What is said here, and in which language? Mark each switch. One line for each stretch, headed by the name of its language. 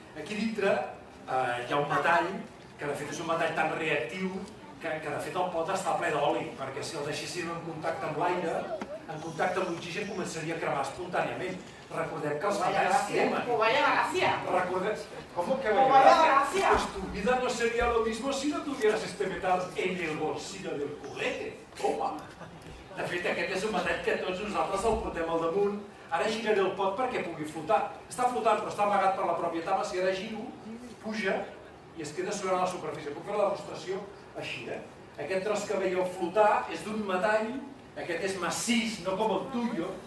Catalan: Aquí dintre hi ha un metall, que de fet és un metall tan reactiu, que de fet el pot estar ple d'oli, perquè si el deixéssim en contacte amb l'aire, en contacte amb l'oxigen començaria a cremar espontàniament. Recordem que els metalls cremen.
Spanish: Com vaya gracia.
Catalan: Recordem... Com que
Spanish: vaya gracia? Pues tu vida no seria lo mismo si no tuvieras este metal en el bolsillo del culete. Toma!
Catalan: De fet, aquest és un metall que tots nosaltres el portem al damunt. Ara giraré el pot perquè pugui flotar. Està flotant, però està amagat per la pròpia tapa. Si ara giro, puja i es queda sobre la superfície. Puc fer la demostració? Així, eh? Aquest tros que veieu flotar és d'un metall, aquest és massís, no com el tuyo.